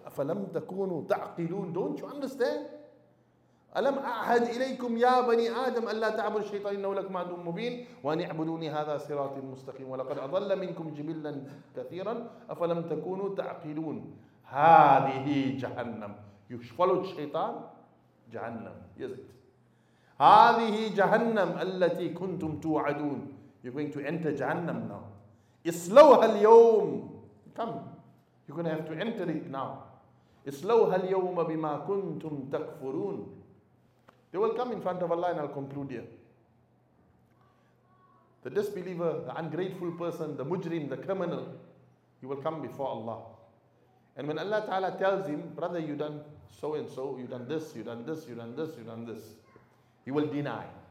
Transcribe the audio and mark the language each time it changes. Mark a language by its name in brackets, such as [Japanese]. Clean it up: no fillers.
[Arabic] أَفَلَمْ تَكُونُوا تَعْقِلُونَ. [English] Don't you understand? [Arabic] أَلَمْ أَعْهَدْ إِلَيْكُمْ يَا بَنِي آدَمَ أَلَّا تَعْبُدُوا الشَّيْطَانَ إِنَّهُ لَكُمْ عَدُوٌّ مُّبِينٌ وَأَنِ اعْبُدُونِي هَذَا صِرَاطٌ مُّسْتَقِيمٌ وَلَقَدْ أَضَلَّ مِنْكُمْ جِبِلًّا كَثِيرًا أَفَلَمْ تَكُونُوا تَعْقِلُونَ. هَذِهِ جَهَنَّمُ. [English] You followed Shaitan, Jahannam, is it? [Arabic] هذه جهنم التي كنتم توعدون. [English] You're going to enter Jahannam now. [Arabic] اسلوها اليوم. [English] Come. You're going to have to enter it now. [Arabic] اسلوها اليوم بما كنتم تكفرون. [English] They will come in front of Allah and I'll conclude here. The disbeliever, the ungrateful person, the mujrim, the criminal, he will come before Allah. And when Allah Ta'ala tells him, brother, you done so and so, you done this, you done this, you done this, you done this, he will deny.